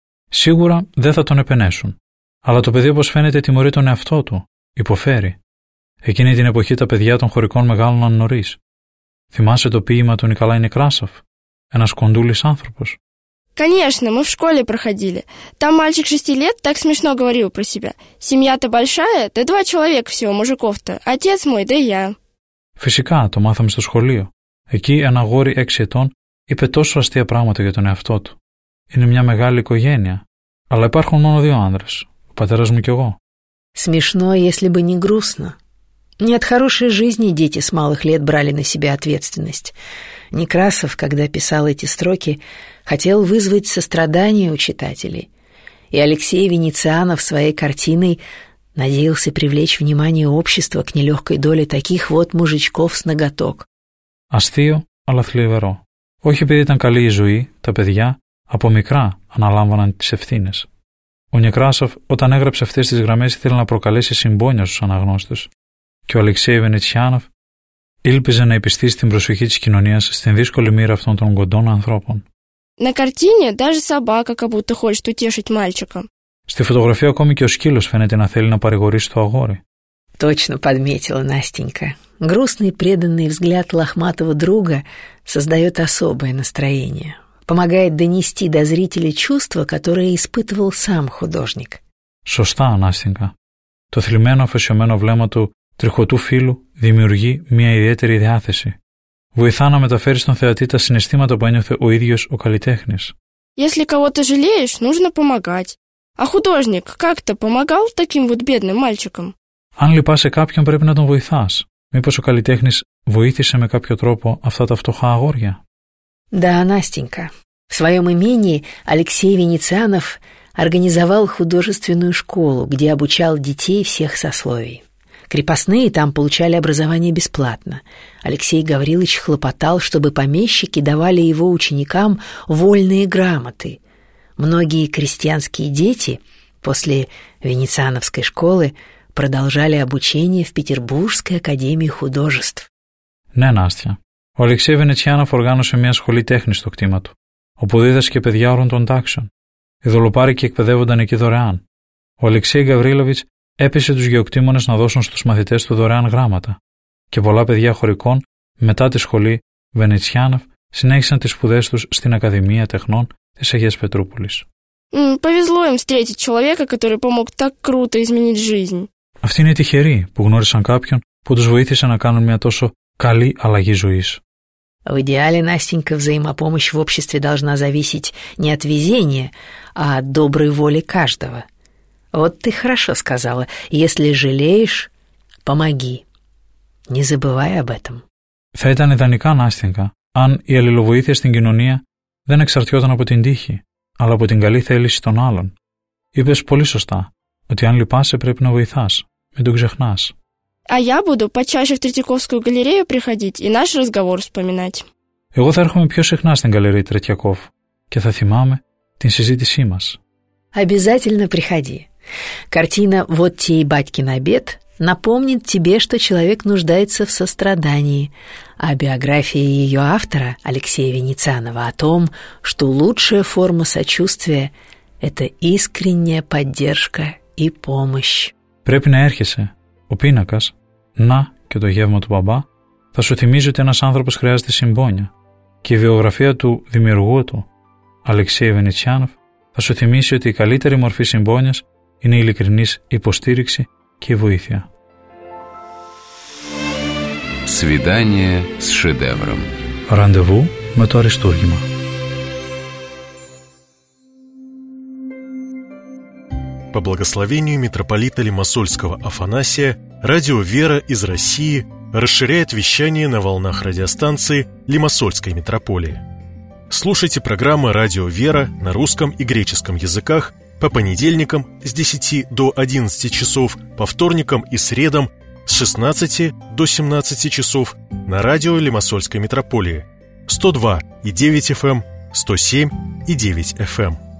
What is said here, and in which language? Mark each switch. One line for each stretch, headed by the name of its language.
Greek: Сигура, δεν θα τον επενέσουν. Αλλά το παιδί, όπως φαίνεται, τιμωρεί τον εαυτό του, υποφέρει. Εκείνη την εποχή τα παιδιά των χωρικών μεγάλωναν νωρίς. Θυμάσαι το ποίημα του Νικολάη Νεκράσοφ, ένας κοντούλης άνθρωπος.
Russian: Конечно, мы в школе проходили. Там мальчик 6 лет так смешно говорил про себя. Семья-то большая, да 2 человека всего мужиков-то. Отец мой, да я.
Greek: Φυσικά, το μάθαμε στο σχολείο. Εκεί ένα αγόρι 6 ετών είπε τόσο αστεία πράγματα για τον εαυτό του. Είναι μια μεγάλη οικογένεια. Αλλά υπάρχουν μόνο 2 άνδρες. Ο πατέρας μου και εγώ.
Russian: Смешно, если бы не грустно. Не от хорошей жизни дети с малых лет брали на себя ответственность. Некрасов, когда писал эти строки, хотел вызвать сострадание у читателей. И Алексей Венецианов своей картиной надеялся привлечь внимание общества к нелегкой доле таких вот мужичков с ноготок.
Greek: Αστείο, αλλά θλιβερό. Όχι επειδή ήταν καλή η ζωή, τα παιδιά από μικρά αναλάμβαναν τις ευθύνες. Ο Νεκράσοφ, όταν έγραψε αυτές τις γραμμές, ήθελε να προκαλέσει συμπόνια στους αναγνώστες. Και ο Αλεξέη Βενετσιάνοφ ήλπιζε να επιστήσει την προσοχή της κοινωνίας στην δύσκολη μοίρα αυτών των κοντών ανθρώπων.
Russian: На картине даже собака как будто хочет утешить мальчика.
Greek: Στη φωτογραφία ακόμη και ο σκύλος φαίνεται να θέλει να παρηγορήσει το αγόρι.
Russian: Точно подметила Настенька. Грустный преданный взгляд лохматого друга создает особое настроение. Помогает донести до зрителя чувства, которое испытывал сам художник.
Greek: Σωστά, Настенька. Το θλιμμένο αφοσιωμένο βλέμμα του τριχωτού φίλου δημιουργεί μια ιδιαίτερη διάθεση. Βοηθά να μεταφέρει στον θεατή τα συναισθήματα που ένιωθε ο ίδιος ο καλλιτέχνης.
Russian: Если кого-то жалеешь, нужно помогать. А художник как-то помогал таким вот бедным мальчикам?
Greek: Αν λυπάσαι κάποιον, πρέπει να τον βοηθάς. Μήπως ο καλλιτέχνης βοήθησε με κάποιο τρόπο αυτά τα φτωχά αγόρια?
Russian: Да, Настенька. В своем имении Алексей Венецианов организовал художественную школу, где обучал детей всех сословий. Крепостные там получали образование бесплатно. Алексей Гаврилович хлопотал, чтобы помещики давали его ученикам вольные грамоты. Многие крестьянские дети после венециановской школы продолжали обучение в Петербургской академии художеств.
Greek: Ναι, Νάστια. Ο Αλεξέη Βενετσιάνοφ οργάνωσε μια σχολή τέχνης στο κτήμα του, όπου δίδασκε παιδιά όλων των τάξεων. Οι δολοπάρικοι εκπαιδεύονταν εκεί δωρεάν. Ο Αλεξέη Γαβρίλοβιτς έπεισε τους γεωκτήμονες να δώσουν στους μαθητές του δωρεάν γράμματα. Και πολλά παιδιά χωρικών, μετά τη σχολή Βενετσιάνοφ, συνέχισαν τις σπουδές τους στην Ακαδημία Τεχνών της Αγίας Πετρούπολης.
Russian: Повезло им встретить человека, который помог так круто изменить жизнь.
Greek: Αυτοί είναι τυχεροί που γνώρισαν κάποιον που τους βοήθησε να κάνουν μια τόσο καλή αλλαγή ζωής.
Russian: В идеале, Настенька, взаимопомощь в обществе должна зависеть не от везения, а от доброй воли каждого. Вот ты хорошо сказала. Если жалеешь, помоги. Не забывай об этом.
Greek: Θα ήταν ιδανικά, Νάστινκα, αν η αλληλοβοήθεια στην κοινωνία δεν εξαρτιόταν από την τύχη, αλλά από την καλή θέληση των άλλων. Είπες πολύ σωστά ότι αν λυπάσαι πρέπει να βοηθάς. Μην το ξεχνάς.
Russian: А я буду почаще в Третьяковскую галерею приходить и наш разговор вспоминать.
Greek: Εγώ θα έρχομαι πιο συχνά στην γαλερία Третьяковых και θα θυμάμαι την συζήτησή μας.
Russian: Обязательно приходи. Картина «Вот тебе и батькин обед» напомнит тебе, что человек нуждается в сострадании, а биография ее автора, Алексея Венецианова, о том, что лучшая форма сочувствия – это искренняя поддержка и помощь.
Greek: Πρέπει να έρχεσαι. Ο πίνακας, να και το γεύμα του μπαμπά, θα σου θυμίζει ότι ένας άνθρωπος χρειάζεται συμπόνια και η βιογραφία του δημιουργού του, Αλεξέη Βενετσιάνοφ, θα σου θυμίσει ότι η καλύτερη μορφή συμπόνιας είναι η ειλικρινής υποστήριξη και η βοήθεια.
Russian: Свидание с шедевром.
Greek: Ραντεβού με το αριστούργημα.
Russian: По благословению митрополита Лимассольского Афанасия, радио «Вера» из России расширяет вещание на волнах радиостанции Лимассольской митрополии. Слушайте программы «Радио «Вера» на русском и греческом языках по понедельникам с 10 до 11 часов, по вторникам и средам с 16 до 17 часов на радио Лимассольской митрополии 102.9 FM, 107.9 FM.